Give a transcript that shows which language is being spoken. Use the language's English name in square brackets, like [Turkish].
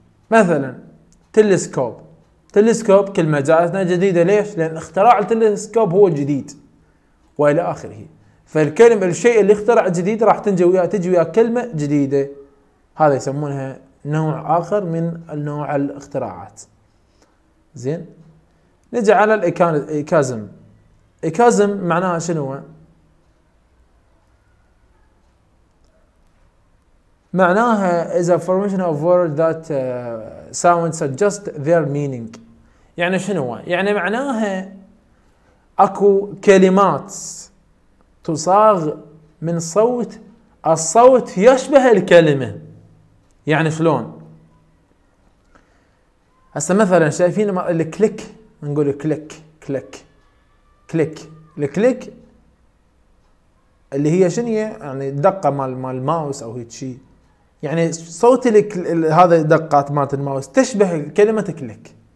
[Arabic] مثلا تلسكوب، تلسكوب كلمة جاءتنا جديدة، ليش؟ لان اختراع التلسكوب هو جديد والى اخره. فالكلمة الشيء اللي اخترع جديد راح تنجي وياه، تجي وياه كلمة جديدة. هذا يسمونها نوع آخر من النوع الاختراعات. زين، نجي على الإيكازم. إيكازم معناها شنو؟ معناها [English] is a formation of words that sound suggest their meaning. [Arabic] يعني شنو؟ يعني معناها أكو كلمات تصاغ من صوت، الصوت يشبه الكلمة. يعني شلون؟ هسه مثلا شايفين الكليك، نقول كليك كليك كليك، الكليك اللي هي شنية يعني دقة مال الماوس أو هيك شيء، يعني صوت هذا دقات مالت الماوس تشبه كلمة كليك.